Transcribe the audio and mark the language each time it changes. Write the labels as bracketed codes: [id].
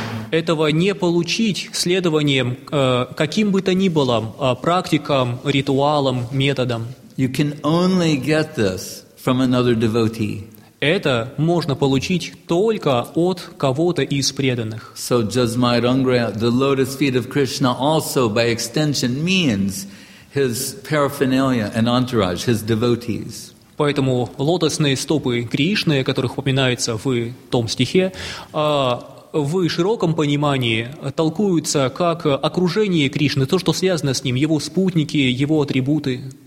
[ru] Этого не получить следованием каким бы то ни было практикам, ритуалам, методам. [en] You can only get this from another devotee. [ru] Это можно получить только от кого-то из преданных. [en] So Jasmai Rangra, the lotus feet of Krishna, also by extension means his paraphernalia and entourage, his devotees. [ru] Поэтому лотосные стопы Кришны, о которых упоминается в том стихе, в широком понимании толкуются как окружение Кришны, то, что связано с ним, его спутники, его атрибуты.